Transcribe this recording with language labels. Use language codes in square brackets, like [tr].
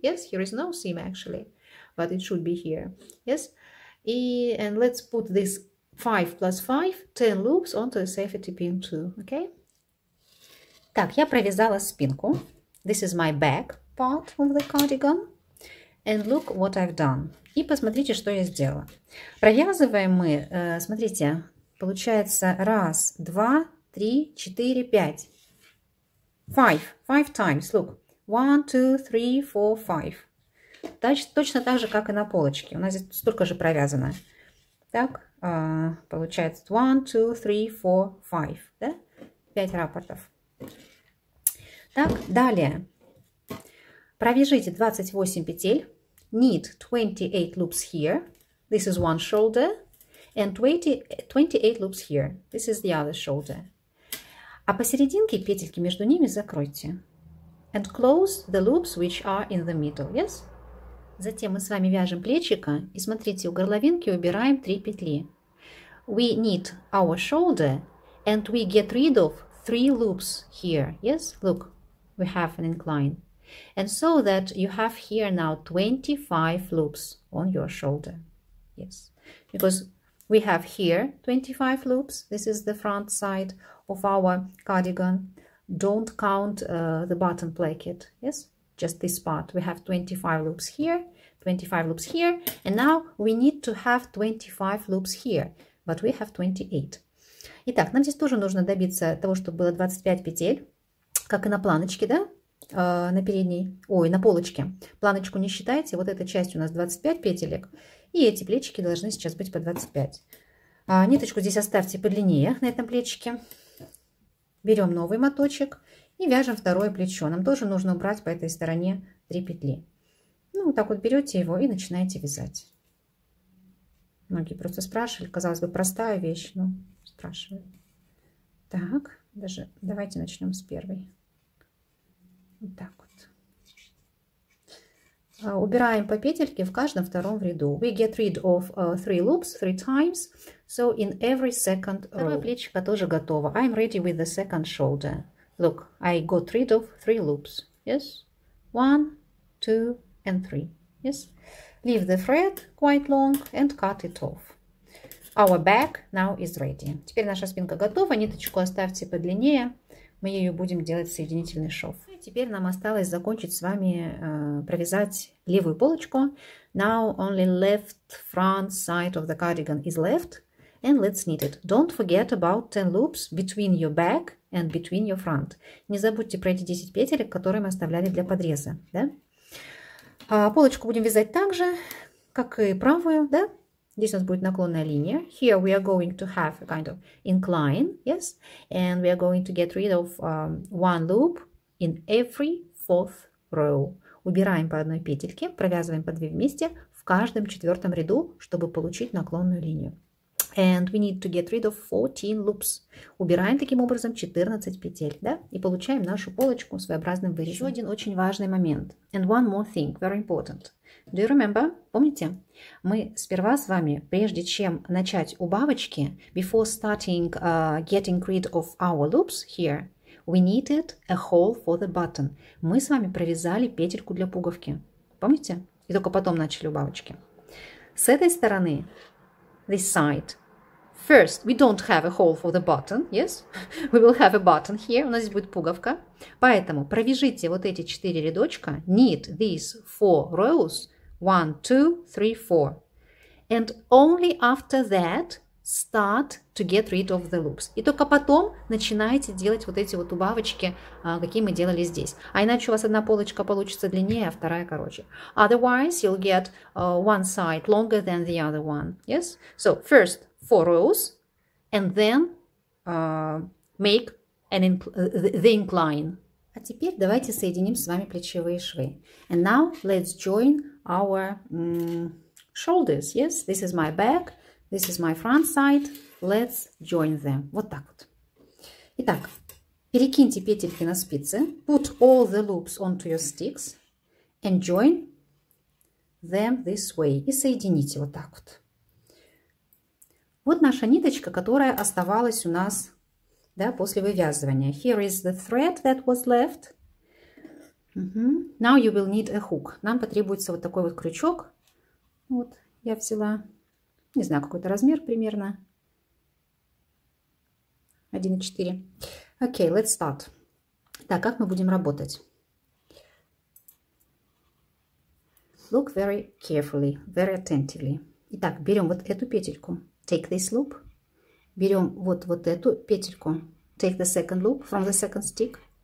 [en] Yes, here is no seam actually, but it should be here. Yes, and let's put this 5 + 5, 10 loops onto a safety pin too, okay? [ru] Так, я провязала спинку. [en] This is my back part of the cardigan. And look what I've done. [ru] И посмотрите, что я сделала. Провязываем мы, смотрите, получается 1, 2, 3, 4, 5. [en] Five times, look. 1, 2, 3, 4, 5. [ru] Точно так же, как и на полочке. У нас здесь столько же провязано. Так, получается 1, 2, 3, 4, 5. Да? 5 рапортов. Так, далее. Провяжите 28 петель. [en] Knit 28 loops here. This is one shoulder. And 28 loops here. This is the other shoulder. [ru] А посерединке петельки между ними закройте. [en] And close the loops which are in the middle. Yes? [ru] Затем мы с вами вяжем плечико. И смотрите, у горловинки убираем 3 петли. [en] We knit our shoulder. And we get rid of 3 loops here. Yes? Look, we have an incline. And so that you have here now 25 loops on your shoulder. Yes, because we have here 25 loops. This is the front side of our cardigan. Don't count the button placket. Yes, just this part. We have 25 loops here, 25 loops here. And now we need to have 25 loops here. But we have 28. [ru] Итак, нам здесь тоже нужно добиться того, чтобы было 25 петель, как и на планочке, да? На передней, ой, на полочке. Планочку не считайте. Вот эта часть у нас 25 петелек. И эти плечики должны сейчас быть по 25. Ниточку здесь оставьте подлиннее на этом плечике. Берем новый моточек и вяжем второе плечо. Нам тоже нужно убрать по этой стороне 3 петли. Ну, вот так вот берете его и начинаете вязать. Многие просто спрашивали. Казалось бы, простая вещь, но спрашивают. Так, даже давайте начнем с первой. Вот так вот. Убираем по петельке в каждом втором ряду. [en] We get rid of three loops three times. So in every second row. [ru] Второе плечико тоже готово. [en] I'm ready with the second shoulder. Look, I got rid of three loops. Yes? 1, 2, and 3. Yes? Leave the thread quite long and cut it off. Our back now is ready. [ru] Теперь наша спинка готова. Ниточку оставьте подлиннее. Мы ее будем делать соединительный шов. Теперь нам осталось закончить с вами, провязать левую полочку. [en] Now only left front side of the cardigan is left. And let's knit it. Don't forget about 10 loops between your back and between your front. [ru] Не забудьте про эти 10 петелек, которые мы оставляли для подреза. Да? Полочку будем вязать так же, как и правую. Да? Здесь у нас будет наклонная линия. [en] Here we are going to have a kind of incline. Yes? And we are going to get rid of one loop in every fourth row. [ru] Убираем по одной петельке, провязываем по 2 вместе в каждом четвертом ряду, чтобы получить наклонную линию. [en] And we need to get rid of 14 loops. [ru] Убираем таким образом 14 петель, да? И получаем нашу полочку своеобразным вырезом. Еще один очень важный момент. [en] And one more thing, very important. Do you remember? [ru] Помните? Мы сперва с вами, прежде чем начать убавочки, [en] before starting getting rid of our loops here, we needed a hole for the button. [ru] Мы с вами провязали петельку для пуговки. Помните? И только потом начали убавочки. С этой стороны, [en] this side, first, we don't have a hole for the button, yes? We will have a button here. [ru] У нас здесь будет пуговка. Поэтому провяжите вот эти 4 рядочка. [en] Knit these 4 rows. 1, 2, 3, 4. And only after that start to get rid of the loops. [ru] И только потом начинаете делать вот эти вот убавочки, какие мы делали здесь. А иначе у вас одна полочка получится длиннее, а вторая короче. [en] Otherwise, you'll get one side longer than the other one. Yes? So, first 4 rows, and then make an the incline. [ru] А теперь давайте соединим с вами плечевые швы. [en] And now, let's join our shoulders. Yes, this is my back. This is my front side. Let's join them. [ru] Вот так вот. Итак, перекиньте петельки на спицы. [en] Put all the loops onto your sticks. And join them this way. [ru] И соедините вот так вот. Вот наша ниточка, которая оставалась у нас, да, после вывязывания. Here is the thread that was left. Now you will need a hook. Нам потребуется вот такой вот крючок. Вот я взяла. Не знаю, какой-то размер примерно. [en] 1,4. Окей, let's start. [ru] Так, как мы будем работать? [en] Look very carefully, very attentively. [ru] Итак, берем вот эту петельку. [en] Take this loop. [ru] Берем вот эту петельку. [en] Take the second loop from the second stick.